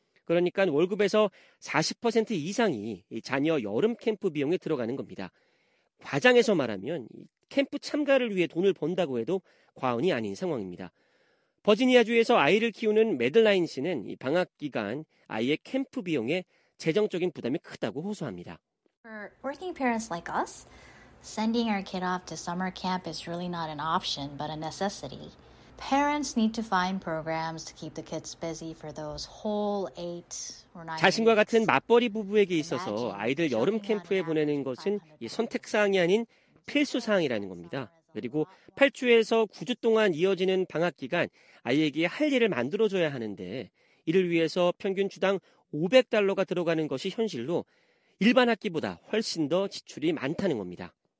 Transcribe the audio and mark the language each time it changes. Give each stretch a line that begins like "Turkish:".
Korean: 그러니까 월급에서 40% 이상이 자녀 여름 캠프 비용에 들어가는 겁니다. 과장해서 말하면 캠프 참가를 위해 돈을 번다고 해도 과언이 아닌 상황입니다. 버지니아주에서 아이를 키우는 매들라인 씨는 방학 기간 아이의 캠프 비용에 재정적인 부담이 크다고 호소합니다.
English: For working parents like us, sending our kid off to summer camp is really not an option, but a necessity. Parents need to find programs to keep the kids busy for those whole 8 or 9 weeks.
Korean: 자신과 같은 맞벌이 부부에게 있어서 아이들 여름 캠프에 보내는 것은 선택 사항이 아닌 필수 사항이라는 겁니다. 그리고 8주에서 9주 동안 이어지는 방학 기간 아이에게 할 일을 만들어줘야 하는데 이를 위해서 평균 주당 $500가 들어가는 것이 현실로 일반 학기보다 훨씬 더 지출이 많다는 겁니다.